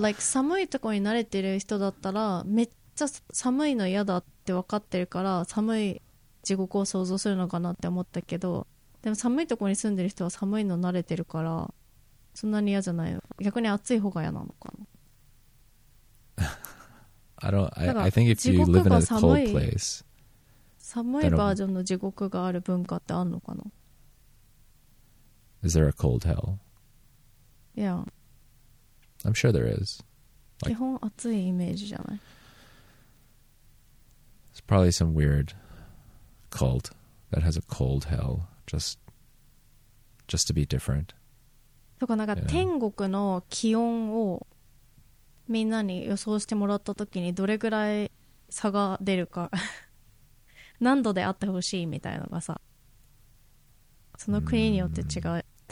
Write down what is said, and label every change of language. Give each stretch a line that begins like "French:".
Japanese: Like, 寒いとこに慣れてる人だったら、めっちゃ寒いの嫌だって分かってるから、寒い地獄を想像するのかなって思ったけど、でも寒いとこに住んでる人は寒いの慣れてるから、そんなに嫌じゃないよ。逆に暑い方が嫌なのかな。
English: I think if you live in a cold place,
Japanese: 寒いバージョンの地獄がある文化ってあるのかな。
English: Is there a cold hell? Yeah. I'm sure there is.
Japanese: Like, 基本暑いイメージじゃない。
English: It's probably some weird cult that has a cold hell just to be different.
Japanese: とかなんか天国の気温をみんなに予想してもらった時にどれぐらい差が出るか何度であってほしいみたいなのがさ、その国によって違う。